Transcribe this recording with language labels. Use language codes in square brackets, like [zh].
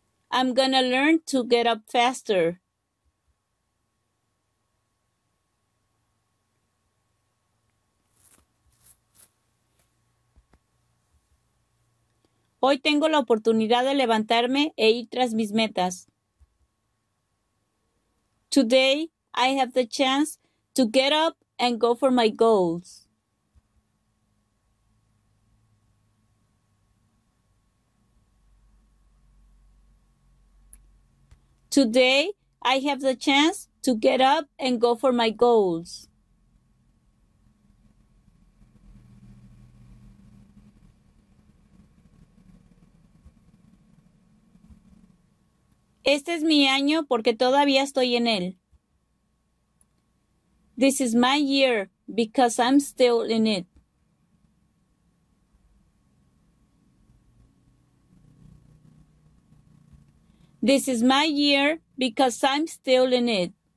[en] I'm gonna learn to get up faster. [es] Hoy tengo la oportunidad de levantarme e ir tras mis metas. [en] Today, I have the chance to get up and go for my goals. Today, I have the chance to get up and go for my goals. [es] Este es mi año porque todavía estoy en él. [en] This is my year because I'm still in it. This is my year because I'm still in it.